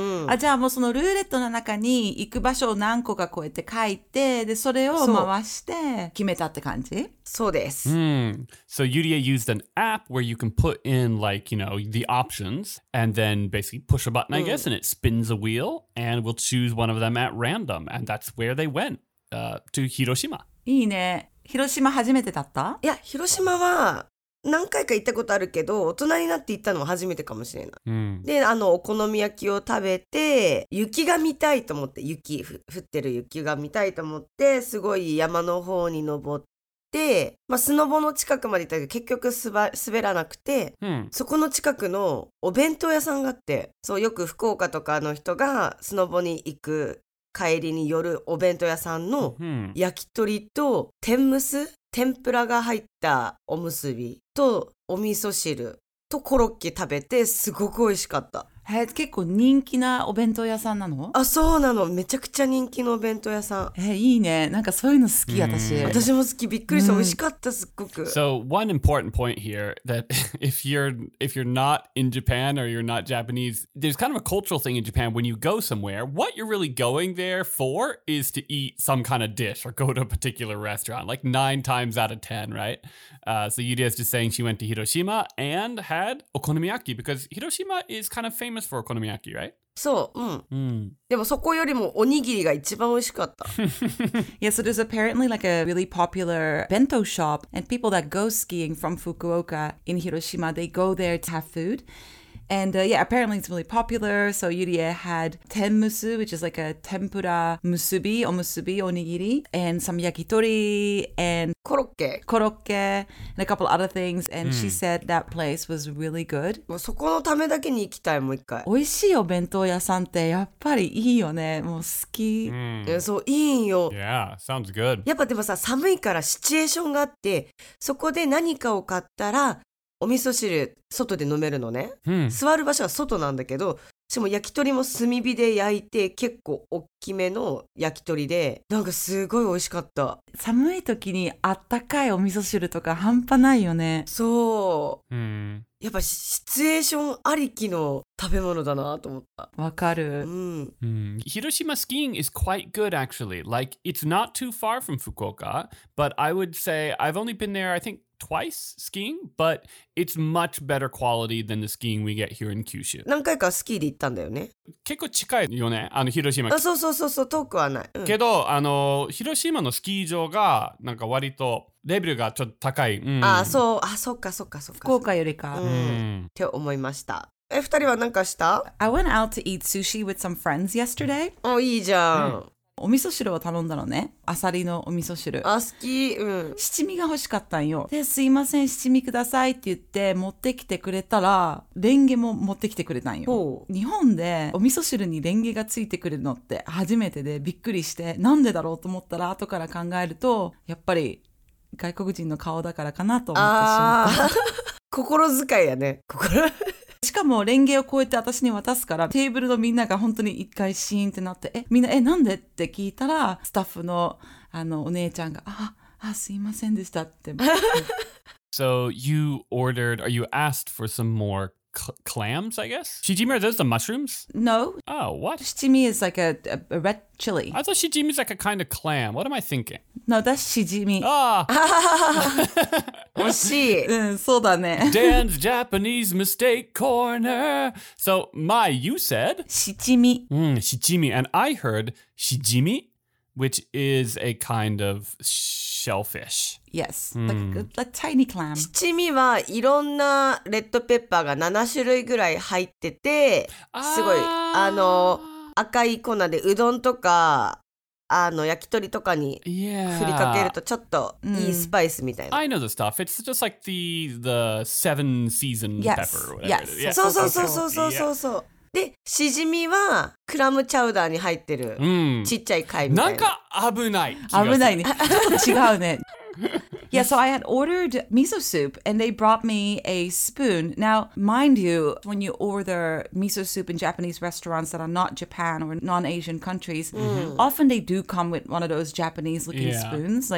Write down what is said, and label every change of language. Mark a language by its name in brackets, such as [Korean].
[Japanese] あ、じゃあもうそのルーレットの中に行く場所を何個かこうやって書いて、でそれを回して決めたって感じ？そうです。 [English] So Yuria used an app where you can put in like, you know, the options and then basically push a button, I guess, and it spins a wheel and will choose one of them at random. And that's where they went, to Hiroshima. [Japanese] いいね。広島初めてだった？いや、広島は何回か行ったことあるけど、大人になって行ったのは初めてかもしれない。で、あの、お好み焼きを食べて、雪が見たいと思って、雪、降ってる雪が見たいと思って、すごい山の方に登って、まあ、スノボの近くまで行ったけど、結局滑らなくて、そこの近くのお弁当屋さんがあって、そう、よく福岡とかの人がスノボに行く、帰りに寄るお弁当屋さんの焼き鳥と天むす、天ぷらが入ったおむすびとお味噌汁とコロッケ食べてすごく美味しかった。結構人気なお弁当屋さんなの？あ、そうなの。めちゃくちゃ人気のお弁当屋さん。いいね。なんかそういうの好き、私。私も好き。びっくりした。美味しかった、すっごく。 [English] So, one important point here, that if you're not in Japan or you're not Japanese, there's kind of a cultural thing in Japan when you go somewhere, what you're really going there for is to eat some kind of dish or go to a particular restaurant, like 9 times out of 10, right? So Yuria is just saying she went to Hiroshima and had okonomiyaki because Hiroshima is kind of famousFamous for okonomiyaki, right? [Japanese] そう、でもそこよりもおにぎりが一番美味しかった。 [English] Yes, so there's apparently like a really popular bento shop, and people that go skiing from Fukuoka in Hiroshima, they go there to have food. And yeah, apparently it's really popular. So Yuria had tenmusu, which is like a tempura musubi, omusubi, onigiri, and some yakitori, and [Japanese] コロッケ, [English] and a couple other things. And she said that place was really good. [Japanese] もうそこのためだけに行きたい、もう一回。美味しいお弁当屋さんってやっぱりいいよね。もう好き。そう、いいよ。 [English] Yeah, sounds good. [Japanese] やっぱでもさ、寒いからシチュエーションがあって、そこで何かを買ったら、お味噌汁外で飲めるのね、座る場所は外なんだけど、しかも焼き鳥も炭火で焼いて結構大きめの焼き鳥で、なんかすごい美味しかった。寒い時にあったかいお味噌汁とか半端ないよね。そう、やっぱシチュエーションありきの食べ物だなと思った。わかる。 [English] Hiroshima skiing is quite good actually. Like, it's not too far from Fukuoka, but I would say I've only been there I thinktwice skiing, but it's much better quality than the skiing we get here in Kyushu. [Japanese] 何回かスキーで行ったんだよね。結構近いよね、あの広島。あ、そうそうそうそう、遠くはない。けど、あの広島のスキー場がなんか割とレベルがちょっと高い。あ、そう、あ、そっかそっかそっか。福岡よりか。って思いました。え、二人は何かした？ [English] I went out to eat sushi with some friends yesterday. [Japanese] お、いいじゃん。お味噌汁を頼んだのね。アサリのお味噌汁。あ、好き。うん。七味が欲しかったんよ。で、すいません、七味くださいって言って持ってきてくれたら、レンゲも持ってきてくれたんよ。ほう。日本でお味噌汁にレンゲがついてくるのって初めてでびっくりして、なんでだろうと思ったら後から考えると、やっぱり外国人の顔だからかなと思ってしまった。心遣いやね。心。しかもレンゲをこうやって私に渡すからテーブルのみんなが本当に一回シーンってなってえみんなえなんでって聞いたらスタッフの、あのお姉ちゃんが あすいませんでしたって [English] So you ordered or you asked for some more clams I guess? Shijimi are those the mushrooms? No Oh what? Shijimi is like a red chili I thought shijimi is like a kind of clam What am I thinking? No that's shijimi Ah [Japanese] 惜しい。うん、そうだね。 [English] Dan's Japanese Mistake Corner. So, Mai, you said? Shichimi. Shichimi. And I heard shijimi, which is a kind of shellfish. Yes,、like tiny clam. [Japanese] Shichimi はいろんなレッドペッパーが7種類ぐらい入ってて、すごい、あの、赤い粉でうどんとか、あの焼き鳥とかに振りかけるとちょっといいスパイスみたいな。 [English] Yeah. I know the stuff. It's just like the seven season pepper. Yes. Yes. [Japanese] そうそうそうそうそうそうそう。で、しじみはクラムチャウダーに入ってるちっちゃい貝みたいな。なんか危ない。危ないね。ちょっと違うね。 [English] Yeah, so I had ordered miso soup and they brought me a spoon. Now, mind you, when you order miso soup in Japanese restaurants that are not Japan or non-Asian countries, often they do come with one of those Japanese looking spoons.